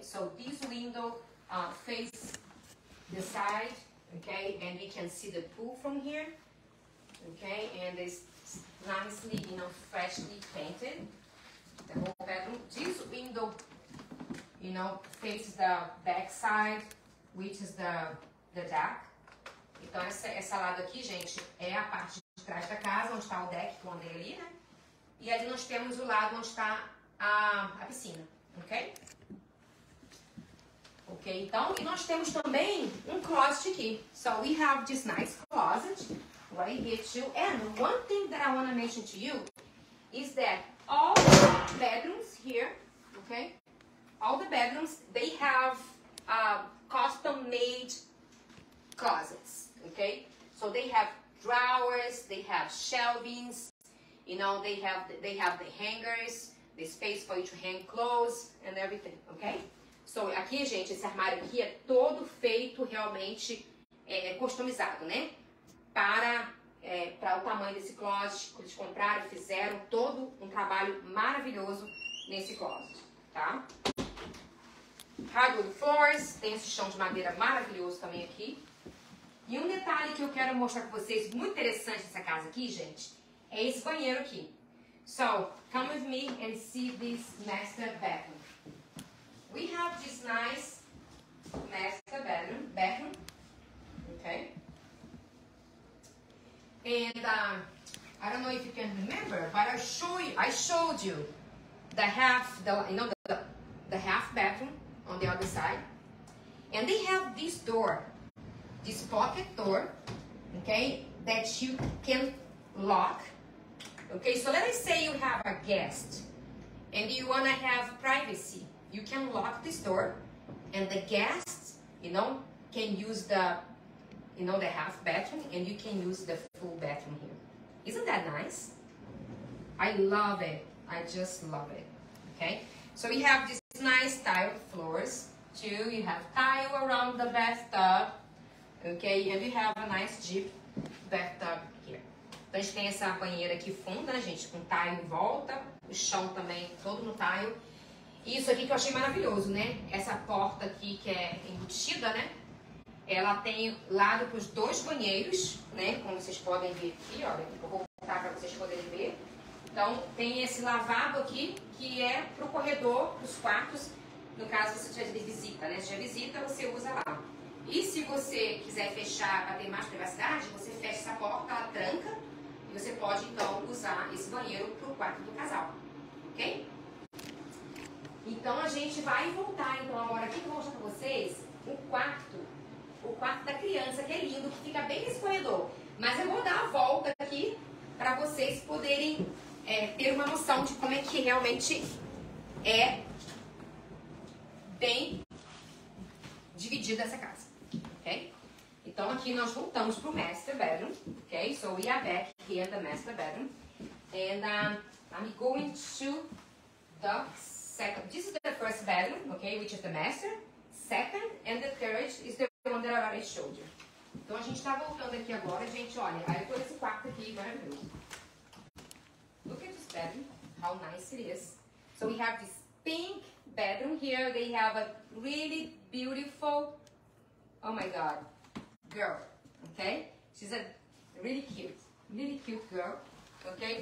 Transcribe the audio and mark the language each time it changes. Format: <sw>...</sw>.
<en>So this window faces the side, okay? And we can see the pool from here, okay? And it's nicely, you know, freshly painted, the whole bedroom. This window, you know, faces the back side, which is the deck.</en> <pt>Então, essa lado aqui, gente, é a parte de trás da casa, onde está o deck com o André ali, né? E ali nós temos o lado onde está a piscina, ok? Ok, então, e nós temos também um closet aqui.</pt> <en>So, we have this nice closet right here too. And one thing that I want to mention to you is that all the bedrooms here, ok? All the bedrooms, they have custom-made closets, ok? So, they have drawers, they have shelvings. You know, they have the hangers, the space for you to hang clothes and everything, ok?</en> <pt>So, aqui, gente, esse armário aqui é todo feito realmente customizado, né? Para para o tamanho desse closet, eles compraram, fizeram todo um trabalho maravilhoso nesse closet, tá?</pt> <en>Hardwood floors,</en> <pt>tem esse chão de madeira maravilhoso também aqui. E um detalhe que eu quero mostrar com vocês, muito interessante dessa casa aqui, gente, é esse banheiro aqui.</pt> <en>So, come with me and see this master bedroom. We have this nice master bedroom, okay? And I don't know if you can remember, but I showed you the half bathroom on the other side. And they have this door, this pocket door, okay, that you can lock. Okay, so let us say you have a guest and you want to have privacy. You can lock this door and the guest, you know, can use the, you know, the half bathroom and you can use the full bathroom here. Isn't that nice? I love it. I just love it. Okay, so we have these nice tile floors too. You have tile around the bathtub. Okay, and you have a nice deep bathtub here.</en> <pt>Então a gente tem essa banheira aqui funda, né, gente? Com tile em volta, o chão também todo no tile. E isso aqui que eu achei maravilhoso, né? Essa porta aqui que é embutida, né? Ela tem lado para os dois banheiros, né? Como vocês podem ver aqui, olha. Eu vou voltar para vocês poderem ver. Então tem esse lavabo aqui que é para o corredor, para os quartos. No caso, se você tiver visita, né? Se tiver visita, você usa lá. E se você quiser fechar para ter mais privacidade, você fecha essa porta, ela tranca. E você pode, então, usar esse banheiro para o quarto do casal. Ok? Então, a gente vai voltar, então, agora aqui que eu vou mostrar para vocês o quarto. O quarto da criança, que é lindo, que fica bem nesse corredor. Mas eu vou dar a volta aqui para vocês poderem ter uma noção de como é que realmente é bem dividida essa casa, ok? Então aqui nós voltamos pro master bedroom, ok?</pt> <en>So we are back here in the master bedroom. And I'm going to the second. This is the first bedroom, ok? Which is the master. Second and the third is the one that I already showed you.</en> <pt>Então a gente tá voltando aqui agora, gente, olha. Aí eu tô nesse quarto aqui, maravilhoso.</pt> <en>Look at this bedroom, how nice it is. So we have this pink bedroom here. They have a really beautiful, oh my god, girl, okay? She's a really cute girl, okay?</en>